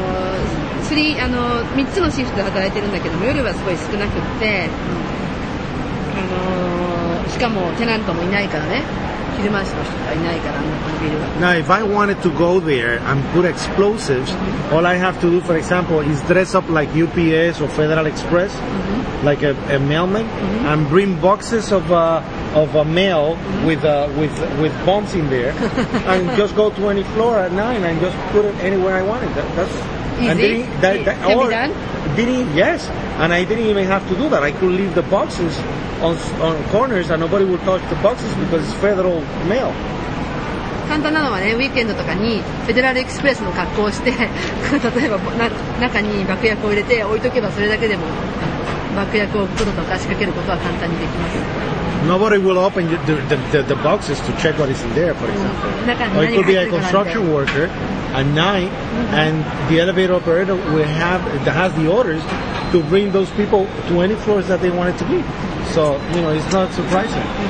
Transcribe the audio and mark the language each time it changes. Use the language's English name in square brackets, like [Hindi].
[Japanese] 3つのシフトで働いてるんだけど、夜はすごい少なくって、しかもテナントもいないからね。昼間しか人がいないから、あのビルは。 [English] Now if I wanted to go there and put explosives、mm-hmm. all I have to do, for example, is dress up like UPS or Federal Express、mm-hmm. like a mailman、mm-hmm. and bring boxes of a mail、mm-hmm. with bombs in there and just go to any floor at night and just put it anywhere I wanted. That's easy. Can be done. And I didn't even have to do that. I could leave the boxes on corners and nobody would touch the boxes because it's federal mail. [Japanese] 簡単なのはね、ウィークエンドとかにフェデラルエクスプレスの格好をして例えば中に爆薬を入れて置いとけば、それだけでも爆薬を置くこととか仕掛けることは簡単にできます。 [English] Nobody will open the boxes to check what is in there, for example. Or it could be a construction worker at night、mm-hmm. and the elevator operator has the orders to bring those people to any floors that they wanted to be. So, you know, it's not surprising.